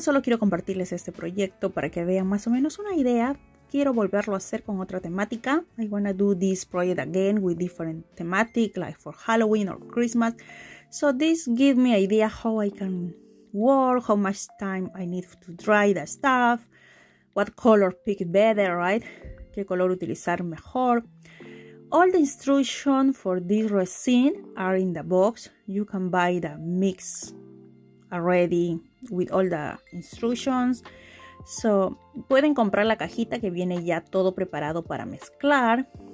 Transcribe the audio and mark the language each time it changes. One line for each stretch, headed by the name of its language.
Spanish: Solo quiero compartirles este proyecto para que vean más o menos una idea. Quiero volverlo a hacer con otra temática.
English: I want to do this project again with different thematic, like for Halloween or Christmas. So this gives me idea how I can work, how much time I need to dry the stuff, what color pick better, right?
Spanish: Qué color utilizar mejor.
English: All the instructions for this resin are in the box. You can buy the mix already with all the instructions.
Spanish: So, pueden comprar la cajita que viene ya todo preparado para mezclar.